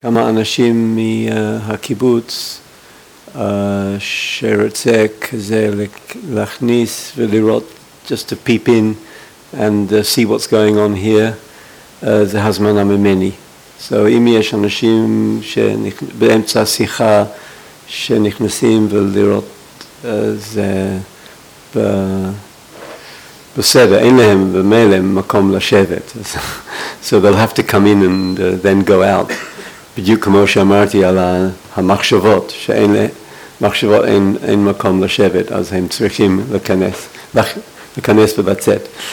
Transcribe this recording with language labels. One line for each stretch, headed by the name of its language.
Hebrew: כמה אנשים מהקיבוץ שרוצה כזה להכניס ולראות,
English: just to peep in and see what's going on here,
Hebrew: זה הזמנה ממני. So אם יש אנשים באמצע השיחה שנכנסים ולראות זה בסדר, אין להם במילא מקום לשבת.
English: So they'll have to come in and then go out.
Hebrew: בדיוק כמו שאמרתי על המחשבות, שאין למחשבות אין מקום לשבת, אז הם צריכים להיכנס ולצאת.